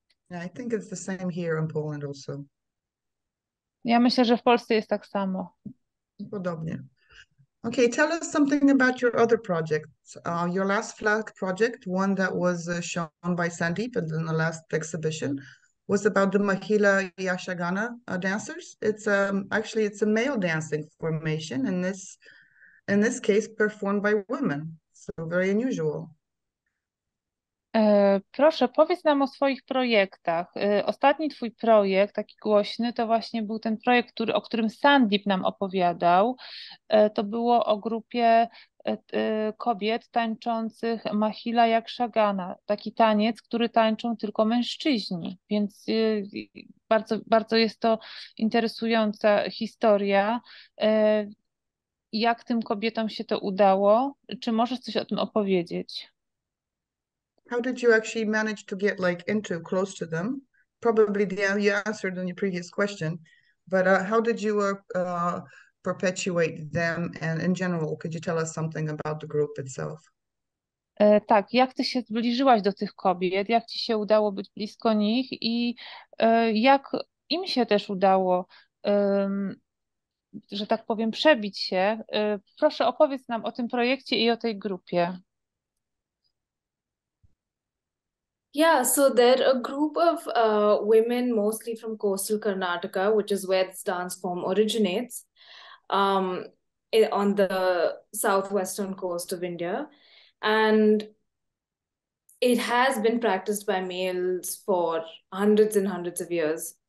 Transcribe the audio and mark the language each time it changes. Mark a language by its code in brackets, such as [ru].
[en] Yeah, I think it's the same here in Poland also. [pl] Ja myślę, że w Polsce jest tak samo. Podobnie. [en] Okay, tell us something about your other projects. Your last flag project, one that was shown by Sandeep and in the last exhibition, was about the Mahila Yashagana dancers. It's actually it's a male dancing formation in this. In this case, performed by women, so very unusual. [pl] Proszę, powiedz nam o swoich projektach. Ostatni twój projekt, taki głośny, to właśnie był ten projekt, o którym Sandeep nam opowiadał. To było o grupie kobiet tańczących Mahila Jakshagana, taki taniec, który tańczą tylko mężczyźni. Więc bardzo, bardzo jest to interesująca historia. Jak tym kobietom się to udało? Czy możesz coś o tym opowiedzieć? [en] How did you actually manage to get like into close to them? Probably the you answered in your previous question, but how did you perpetuate them? And in general, could you tell us something about the group itself? [pl] Tak, jak ty się zbliżyłaś do tych kobiet, jak ci się udało być blisko nich i jak im się też udało, że tak powiem, przebić się. Proszę, opowiedz nam o tym projekcie i o tej grupie. [en] Yeah, so they're a group of women, mostly from coastal Karnataka, which is where this dance form originates, on the southwestern coast of India. And it has been practiced by males for hundreds and hundreds of years.